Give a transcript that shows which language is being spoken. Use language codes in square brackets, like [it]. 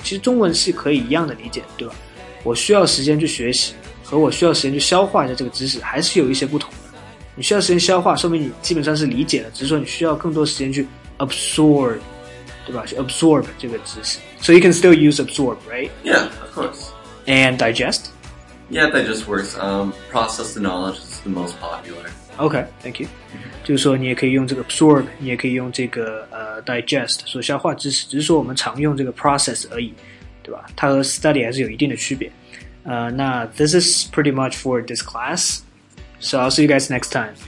[zh] 其实中文是可以一样的理解，对吧，我需要时间去学习和我需要时间去消化一下这个知识还是有一些不同的。你需要时间消化，说明你基本上是理解了，只是说你需要更多时间去 absorb， 对吧？去 absorb 这个知识。 [en] So you can still use absorb, right? Yeah, of course. And digest? Yeah, digest works. Process the knowledge is the most popular. Okay, thank you. [zh] 就是说你也可以用这个 absorb， 你也可以用这个digest， 说消化知识，只是说我们常用这个 process 而已，对吧？它和 study 还是有一定的区别。 [en] 那 this is pretty much for this class.So I'll see you guys next time.